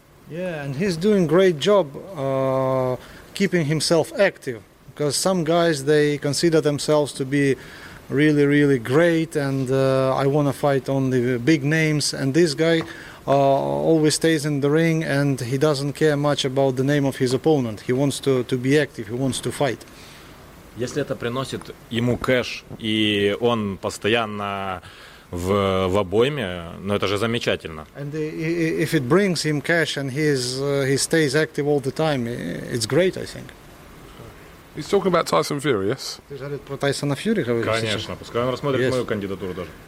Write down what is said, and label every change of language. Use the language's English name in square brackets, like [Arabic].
[English] Yeah, and he's doing great job keeping himself active, because some guys, they consider themselves to be really, really great, and I want to fight only big names, and this guy always stays in the ring, and he doesn't care much about the name of his opponent. He wants to be active, he wants to fight. [Russian] Если это приносит ему кэш, и он постоянно в обойме, но это же замечательно. [English] And if it brings him cash and he stays active all the time, it's great, I think. He's talking about Tyson Fury, yes? [Russian] Ты же говорит про Тайсона Фьюри, говоришь? Конечно, пускай он рассмотрит мою кандидатуру даже.